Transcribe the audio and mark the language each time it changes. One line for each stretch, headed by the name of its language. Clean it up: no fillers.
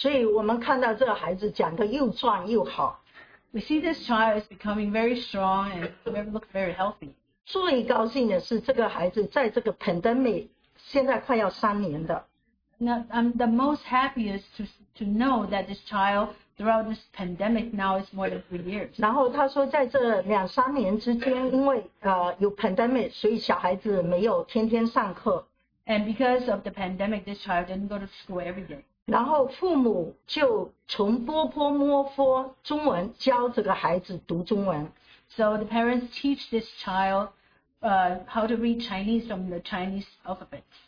Chinese: 所以我们看到这个孩子长得又壮又好。
English: We see this child is becoming very strong and looks very healthy.
Chinese: 最高兴的是这个孩子在这个 pandemic 现在快要3年的。
English: Now, I'm the most happiest to know that this child throughout this pandemic now is more than 3 years.
Chinese: 然后他说在这两三年之间, 因为,
English: your pandemic,
Chinese: 所以小孩子没有天天上课。
English: And because of the pandemic, this child didn't go to school every day.
Chinese: 然后父母就从波波摸佛, 中文教这个孩子读中文。
English: So the parents teach this child how to read Chinese from the Chinese alphabet.